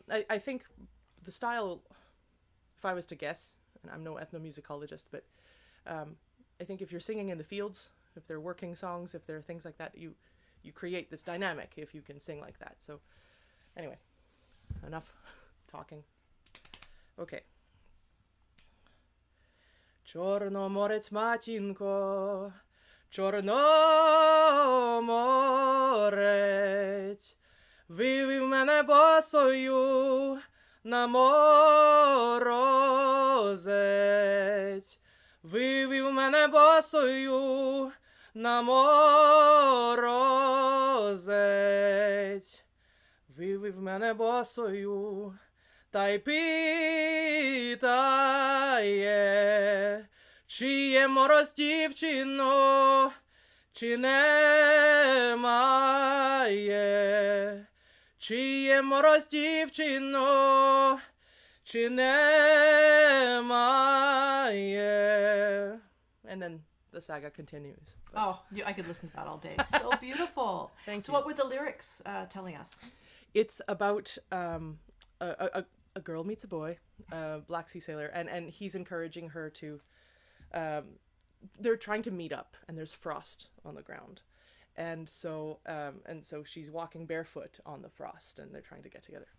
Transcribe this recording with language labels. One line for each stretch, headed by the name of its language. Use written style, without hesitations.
English: I think the style, if I was to guess, and I'm no ethnomusicologist, but I think if you're singing in the fields, if they're working songs, if there are things like that, you create this dynamic if you can sing like that. So anyway, enough talking. Okay.
Ukrainian: Чорноморець матінко, Чорноморець, вивів мене босою на морозець. Вивів мене босою на морозець. Вивів мене босою, та й питає, чи є мороз дівчино, чи немає. Чи є мороз дівчино, чи немає.
English: And then the saga continues. But... Oh, you, I could listen to that all day. So beautiful. Thank so So what were the lyrics telling us? It's about a girl meets a boy, a black sea sailor, and he's encouraging her to... they're trying to meet up, and there's frost on the ground. And so she's walking barefoot on the frost, and they're trying to get together.